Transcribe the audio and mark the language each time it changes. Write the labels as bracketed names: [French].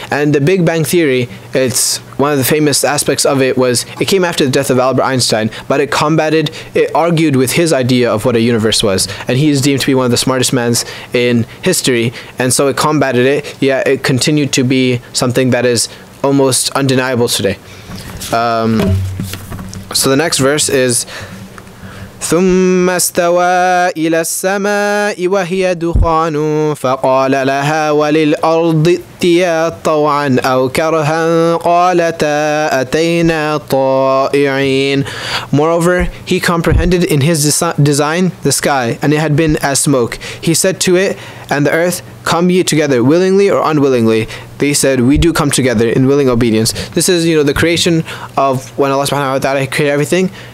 [English] And the Big Bang theory, it's one of the famous aspects of it, was it came after the death of Albert Einstein, but it argued with his idea of what a universe was, and he is deemed to be one of the smartest men in history, and so it combated it. Yeah, it continued to be something that is almost undeniable today. So the next verse is [Arabic] ثم استوى إلى السماء وهي دخان فقال لها وللأرض ائتيا طوعا أو كرها قالتا أتينا طائعين. [English] Moreover, he comprehended in his design the sky, and it had been as smoke. He said to it and the earth, come ye together, willingly or unwillingly. They said, we do come together in willing obedience. This is, you know, the creation of when Allah subhanahu wa ta'ala created everything.